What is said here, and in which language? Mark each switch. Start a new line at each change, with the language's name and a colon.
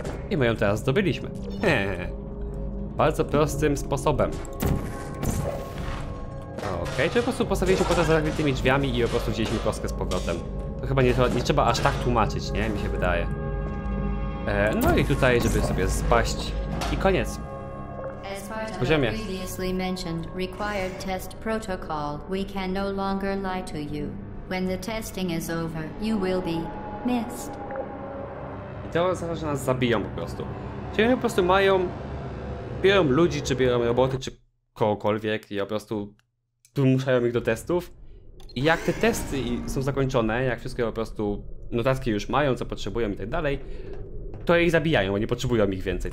Polish: I my ją teraz zdobyliśmy. Bardzo prostym sposobem. Okej, czyli po prostu postawiliśmy kota za zakrytymi drzwiami i po prostu wzięliśmy kostkę z powrotem. To chyba nie trzeba aż tak tłumaczyć, nie? Mi się wydaje. No i tutaj, żeby sobie spaść. I koniec. W poziomie.
English: Previously mentioned required test protocol, we can no longer lie to you. When the testing is over, you will be missed.
Polish: I to oznacza, że nas zabiją po prostu. Czyli oni po prostu mają... biorą ludzi, czy biorą roboty, czy kogokolwiek i po prostu wymuszają ich do testów. I jak te testy są zakończone, jak wszystkie po prostu notatki już mają, co potrzebują i tak dalej, to ich zabijają, bo nie potrzebują ich więcej.